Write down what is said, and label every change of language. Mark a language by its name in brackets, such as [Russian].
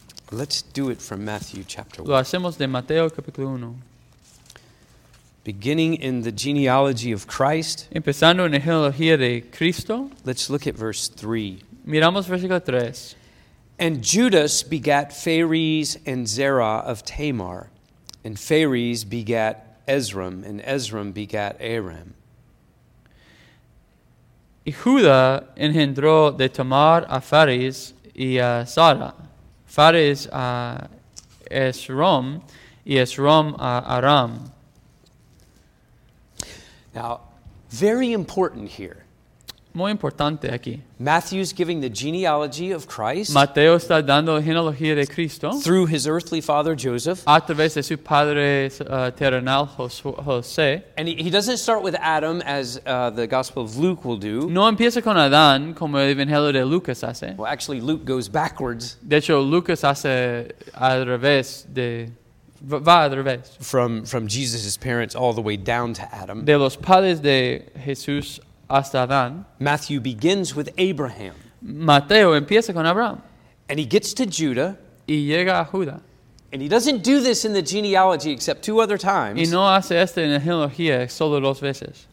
[English] Let's do it from Matthew chapter 1. [Spanish] Lo hacemos de Mateo capítulo 1. [English] Beginning in the genealogy of Christ. [Spanish] Empezando en la genealogía de Cristo. [English] Let's look at verse 3. [Spanish] Miramos versículo 3. [English] And Judas begat Phares and Zerah of Tamar, and Phares begat Esrom, and Esrom begat Aram. [Spanish] Y Judah engendró de Tamar a Phares y a Zara. Phares a Esrom, y Esrom a Aram. [English] Now, very important here. [Spanish] Muy importante aquí. [English] Matthew's giving the genealogy of Christ. [Spanish] Mateo está dando la genealogía de Cristo. [English] Through his earthly father Joseph. [Spanish] A través de su padre terrenal José. [English] And he doesn't start with Adam as the Gospel of Luke will do. [Spanish] No empieza con Adán como el Evangelio de Lucas hace. [English] Well, actually, Luke goes backwards. [Spanish] De hecho, Lucas hace al revés de. Va al revés. [English] From Jesus' parents all the way down to Adam. [Spanish] De los padres de Jesús. Hasta Adán. [English] Matthew begins with Abraham. [Spanish] Mateo empieza con Abraham. [English] And he gets to Judah. [Spanish] Y llega a Judah. [English] And he doesn't do this in the genealogy except two other times. [Spanish] Y no hace esto en la genealogía solo dos veces.